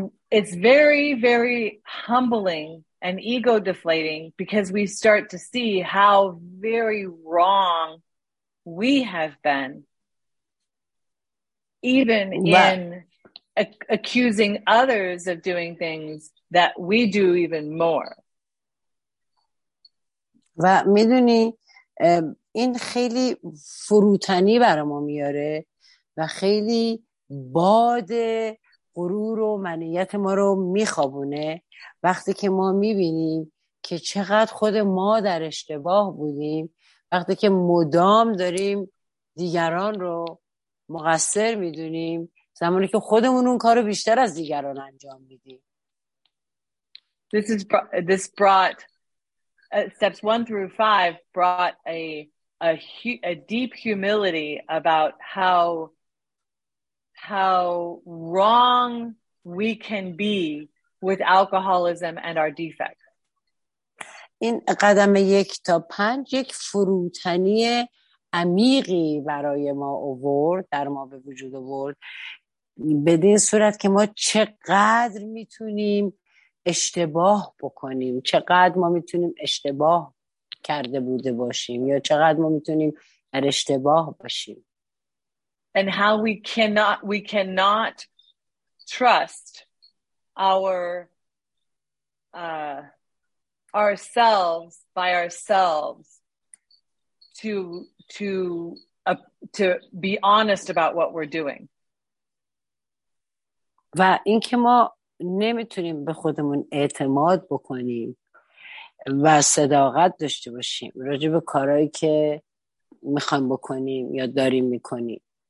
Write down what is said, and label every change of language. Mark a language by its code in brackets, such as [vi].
[en] It's very, very humbling and ego deflating because we start to see how very wrong we have been even in accusing others of doing things that we do even more. [fa] و میدونی این خیلی فروتنی برای ما میاره و خیلی باد غرور و منیت ما رو میخوابونه وقتی که ما میبینیم که چقدر خود ما در اشتباه بودیم وقتی که مدام داریم دیگران رو مقصر میدونیم زمانی که خودمون اون کارو بیشتر از دیگران انجام میدیم. [en] This brought steps 1 through 5 brought a deep humility about how wrong we can be with alcoholism and our defects. [fa] این قدم یک تا پنج یک فروتنی عمیقی برای ما آورد، در ما به وجود آورد، بدین صورت که ما چقدر میتونیم اشتباه بکنیم، چقدر ما میتونیم اشتباه کرده بوده باشیم یا چقدر ما میتونیم در اشتباه باشیم. [en] And how we cannot trust ourselves by ourselves to be honest about what we're doing. [fa] و اینکه ما نمیتونیم به خودمون اعتماد بکنیم و صداقت داشته باشیم راجع به کارهایی که میخوایم بکنیم یا داریم میکنیم.